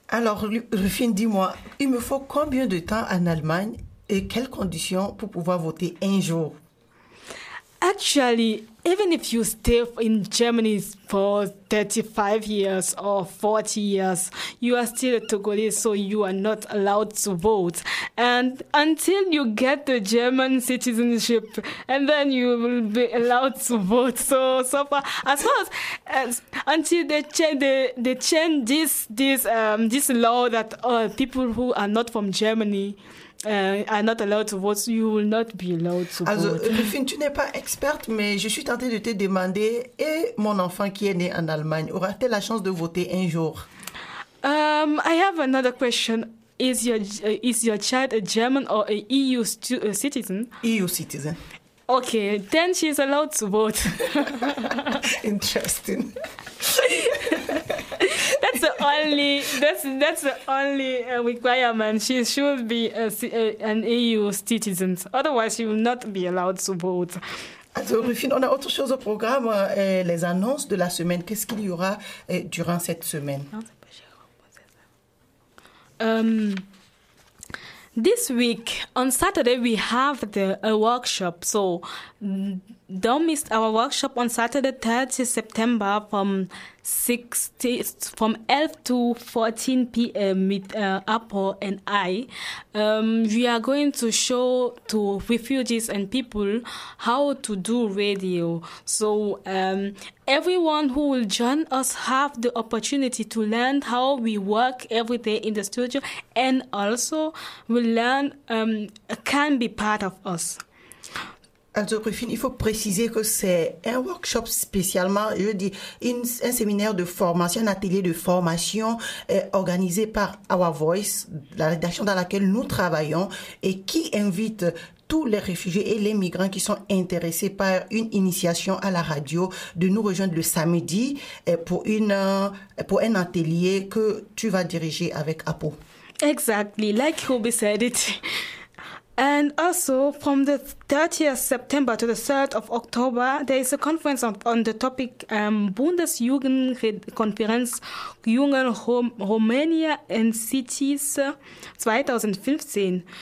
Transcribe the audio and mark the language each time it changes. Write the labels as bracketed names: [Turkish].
[French] Alors, Rufin, dis-moi, il me faut combien de temps en Allemagne et quelles conditions pour pouvoir voter un jour? [English] Actually, even if you stay in Germany for 35 years or 40 years, you are still a Togolese, so you are not allowed to vote. And until you get the German citizenship, and then you will be allowed to vote. So far, as far as until they change this law that people who are not from Germany are not allowed to vote, you will not be allowed to also, vote. [French] Alors, Rufin, tu n'es pas experte, mais je suis tentée de te demander, et mon enfant qui est né en Allemagne, aura-t-elle la chance de voter un jour? [English] I have another question. Is your child a German or an EU citizen? EU citizen. Okay, then she's allowed to vote. Interesting. That's the only requirement. She should be an EU citizen. Otherwise, she will not be allowed to vote. [French] Alors, Rufin, on a autre chose au programme. Les annonces de la semaine. Qu'est-ce qu'il y aura durant cette semaine? [English] This week, on Saturday, we have a workshop. So don't miss our workshop on Saturday, 30 September, from 11 to 14 p.m. with Apple and I. We are going to show to refugees and people how to do radio. So everyone who will join us have the opportunity to learn how we work every day in the studio, and also will learn can be part of us. [French] Also, Rufin, il faut préciser que c'est un workshop spécialement, je dis, un séminaire de formation, un atelier de formation organisé par Our Voice, la rédaction dans laquelle nous travaillons, et qui invite tous les réfugiés et les migrants qui sont intéressés par une initiation à la radio de nous rejoindre le samedi pour un atelier que tu vas diriger avec Apo. [English] Exactly, like Ruby said it. And also, from the 30th September to the 3rd of October, there is a conference on the topic Bundesjugendkonferenz Junge Romania and Cities 2015.